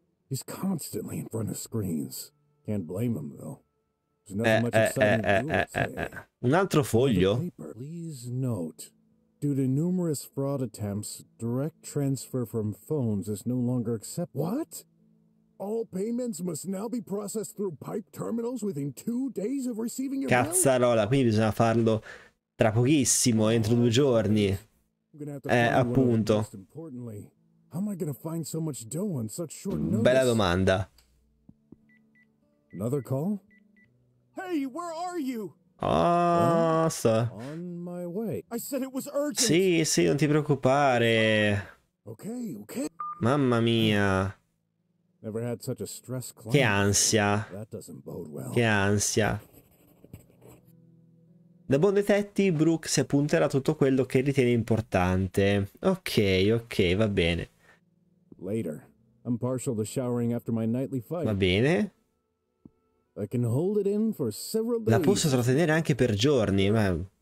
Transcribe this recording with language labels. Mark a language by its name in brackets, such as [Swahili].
[English] He's constantly in front of screens. Can't blame him though. There's not much [Italian] un altro foglio. [English] Please note. Due to numerous fraud attempts, direct transfer from phones is no longer accepted. What? All payments must now be processed through pipe terminals within two days of receiving your mail. [Italian] Cazzarola, quindi bisogna farlo tra pochissimo, entro due giorni. Appunto. [English] How am I gonna find so much dough on such short notice? [Italian] Bella domanda. [English] Another call? Hey, where are you? On my way. I said it was urgent. [Italian] Sì, sì, non ti preoccupare. [English] Okay, okay. [Italian] Mamma mia. [English] Never had such a stress climb. [Italian] Che ansia. [English] That doesn't bode well. Che ansia. [Italian] Da buon detective, Brooke si appunterà tutto quello che ritiene importante. Ok, ok, va bene. [English] Later. I'm partial to showering after my nightly fight. [Italian] Va bene. [English] I can hold it in for several days. [Italian] La posso trattenere anche per giorni, ma...